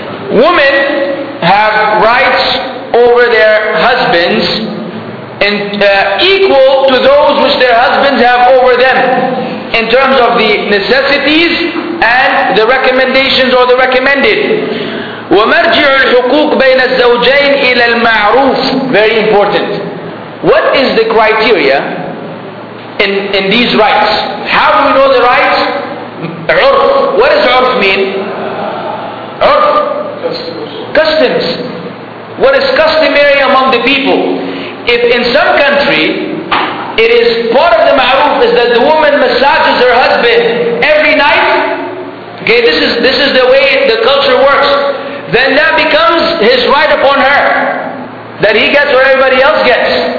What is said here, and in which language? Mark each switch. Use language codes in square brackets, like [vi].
[en] Women have rights over their husbands and equal to those which their husbands have over them in terms of the necessities and the recommendations or the recommended. [ar] ومرجع الحقوق بين الزوجين إلى المعروف. [en] Very important. What is the criteria in these rights? How do we know the rights? [ar] عرف. [en] What does عرف mean? [ar] عرف. [en] Customs. What is customary among the people? If in some country it is part of the ma'ruf is that the woman massages her husband every night, okay, this is the way the culture works, then that becomes his right upon her, that he gets what everybody else gets.